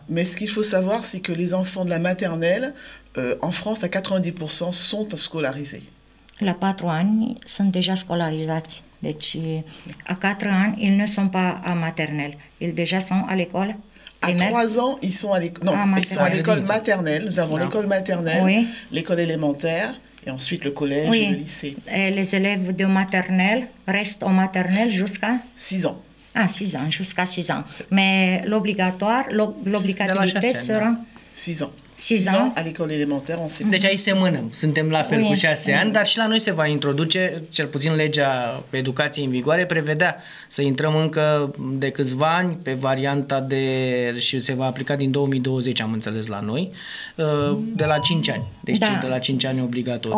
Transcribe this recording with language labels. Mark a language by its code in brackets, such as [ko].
[fr] Mais ce qu'il faut savoir, c'est que les enfants de la maternelle, en France, à 90% sont scolarisés. [ro] La 4 ani sunt deja scolarizați. Deci, [fr] à 4 ani, ils ne sont pas à maternelle. Ils déjà sont à l'école. À 3 ans, ils sont à l'école maternelle. Nous avons l'école maternelle, l'école élémentaire, et ensuite le collège et le lycée. Et les élèves de maternelle restent au maternelle jusqu'à 6 ans. Ah, 6 ans, jusqu'à 6 ans. Mais l'obligatoire, l'obligatoire sera 6 ans. [ro] 6 ani [fr] à l'école élémentaire, on [ro] deci aici semănăm, suntem la fel cu 6 ani, dar și la noi se va introduce, cel puțin legea educației în vigoare prevedea să intrăm încă de câțiva ani pe varianta de, și se va aplica din 2020, am înțeles, la noi, de la 5 ani. Deci da, de la 5 ani obligatoriu.